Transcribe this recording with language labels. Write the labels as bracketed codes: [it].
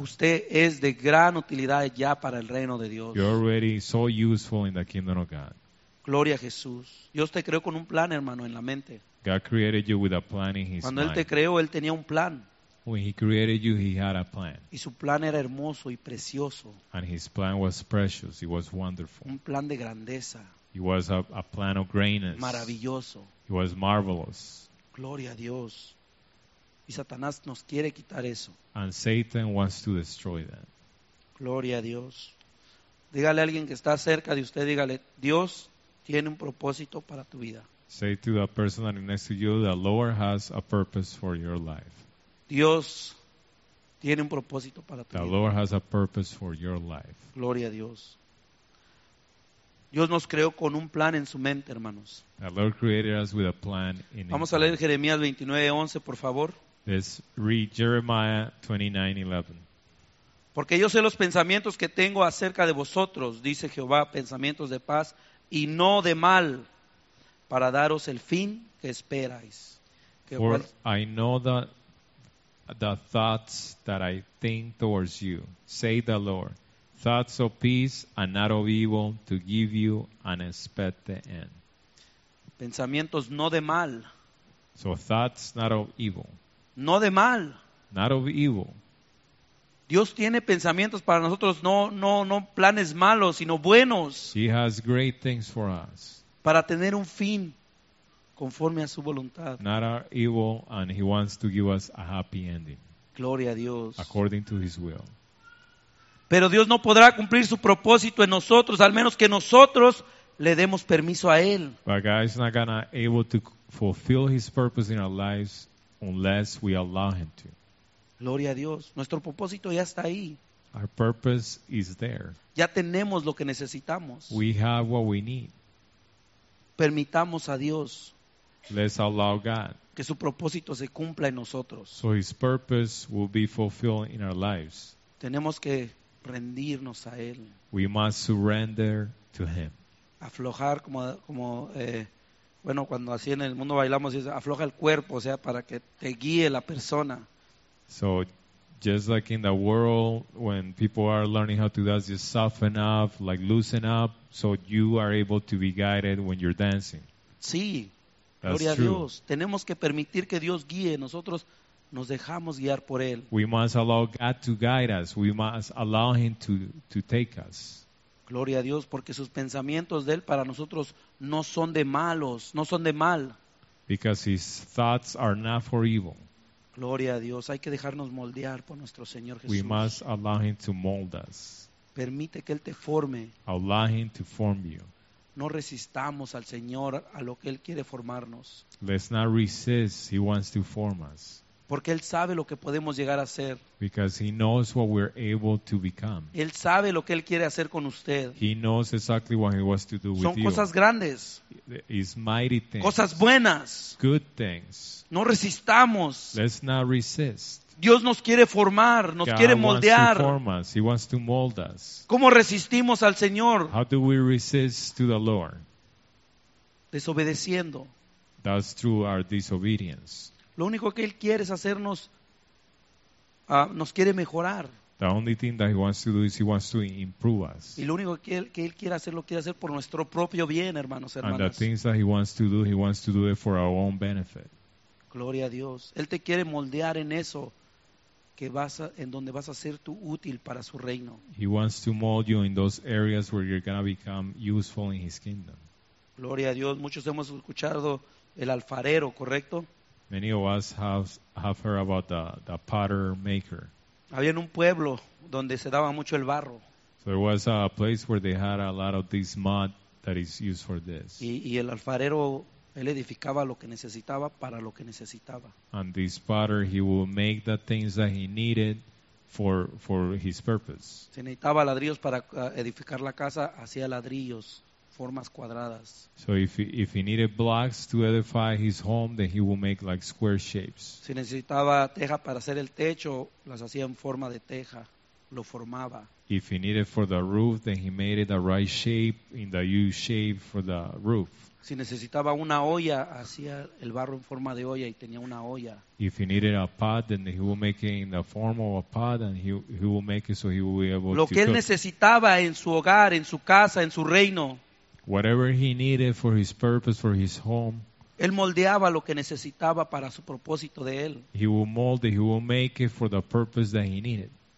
[es] Usted es de gran utilidad ya para el reino de Dios. [en] You're already so useful in the kingdom of God. [es] Gloria a Jesús. Dios te creó con un plan, hermano, en la mente. [en] God created you with a plan in his mind. [es] Cuando Él te creó, Él tenía un plan. [en] When he created you, he had a plan. [es] Y su plan era hermoso y precioso. [en] And his plan was precious. It was wonderful. [es] Un plan de grandeza. [en] It was a plan of greatness. [es] Maravilloso. [en] It was marvelous. [es] Gloria a Dios. Y Satanás nos quiere quitar eso. [en] And Satan wants to destroy that. [es] Gloria a Dios. Dígale a alguien que está cerca de usted, dígale, Dios tiene un propósito para tu vida. [en] Say to the person that is next to you, the Lord has a purpose for your life. [es] Dios tiene un propósito para tu [en] the [es] vida. [en] The Lord has a purpose for your life. [es] Gloria a Dios. Dios nos creó con un plan en su mente, hermanos. [en] The Lord created us with a plan in [es] Vamos a leer Jeremías 29:11, por favor. [en] Let's read Jeremiah 29:11. [es] Porque yo sé los pensamientos que tengo acerca de vosotros, dice Jehová, pensamientos de paz y no de mal, para daros el fin que esperáis. [en] For I know the thoughts that I think towards you, say the Lord. Thoughts of peace and not of evil to give you an expected end. [es] Pensamientos no de mal. [en] So thoughts not of evil. [es] No de mal. [en] Not of evil. [es] Dios tiene pensamientos para nosotros, no planes malos, sino buenos. [en] He has great things for us. [es] Para tener un fin conforme a su voluntad. [en] Not our evil, and he wants to give us a happy ending. [es] Gloria a Dios. [en] According to his will. [es] Pero Dios no podrá cumplir su propósito en nosotros, al menos que nosotros le demos permiso a él. [en] But God is not gonna able to fulfill his purpose in our lives unless we allow him to. [es] Gloria a Dios. Nuestro propósito ya está ahí. [en] Our purpose is there. [es] Ya tenemos lo que necesitamos. [en] We have what we need. [es] Permitamos a Dios. [en] Let's allow God. [es] Que su propósito se cumpla en nosotros. [en] So his purpose will be fulfilled in our lives. [es] Tenemos que rendirnos a él. [en] We must surrender to him. [es] Aflojar como cuando así en el mundo bailamos, afloja el cuerpo, o sea, para que te guíe la persona. [en] So just like in the world when people are learning how to dance, just soften up, like loosen up, so you are able to be guided when you're dancing. [es] Sí. [en] That's [es] gloria [en] true. [es] A Dios. Tenemos que permitir que Dios guíe. Nosotros nos dejamos guiar por él. [en] We must allow God to guide us. We must allow him to take us. [es] Gloria a Dios, porque sus pensamientos de él para nosotros no son de malos, no son de mal. [en] Because his thoughts are not for evil. [es] Gloria a Dios, hay que dejarnos moldear por nuestro Señor Jesús. [en] We must allow him to mold us. [es] Permite que él te forme. [en] Allow him to form you. [es] No resistamos al Señor, a lo que él quiere formarnos. [en] Let's not resist, he wants to form us. [es] Porque él sabe lo que podemos llegar a ser. [en] Because he knows what we're able to become. [es] Él sabe lo que él quiere hacer con usted. [en] He knows exactly what he wants to do with you. [es] Son cosas grandes. [en] It's mighty things. [es] Cosas buenas. [en] Good things. [es] No resistamos. [en] Let's not resist. [es] Dios nos quiere formar, nos quiere moldear. [en] God wants to form us. He wants to mold us. [es] ¿Cómo resistimos al Señor? [en] How do we resist to the Lord? [es] Desobedeciendo. [en] That's through our disobedience. [es] Lo único que él quiere es hacernos, nos quiere mejorar. [en] The only thing that he wants to do is he wants to improve us. [es] Y lo único que él quiere hacer, lo quiere hacer por nuestro propio bien, hermanos, hermanas. [en] And the things that he wants to do it for our own benefit. [es] Gloria a Dios. Él te quiere moldear en eso, en donde vas a ser tú útil para su reino. [en] He wants to mold you in those areas where you're going to become useful in his kingdom. [es] Gloria a Dios. Muchos hemos escuchado el alfarero, ¿correcto? [en] Many of us have heard about the potter maker. [es] Había en un pueblo donde se daba mucho el barro. [en] So there was a place where they had a lot of this mud that is used for this. [es] Y el alfarero, él edificaba lo que necesitaba para lo que necesitaba. [en] And this potter, he will make the things that he needed for his purpose. [es] Si necesitaba ladrillos para edificar la casa, hacía ladrillos. Formas cuadradas. [en] So if he needed blocks to edify his home, then he will make like square shapes. [es] Si necesitaba teja para hacer el techo, las hacía en forma de teja, lo formaba. [en] If he needed for the roof, then he made it the right shape in the U shape for the roof. [es] Si necesitaba una olla, hacía el barro en forma de olla y tenía una olla. [en] If he needed a pot, then he will make it in the form of a pot and he will make it so he will be able to [es] lo que él [en] cook. [es] Necesitaba en su hogar, en su casa, en su reino. [en] Whatever he needed for his purpose, for his home. [es] Él moldeaba lo que necesitaba para su propósito de él. [en] He will mold it, he will make it for the purpose that he needed.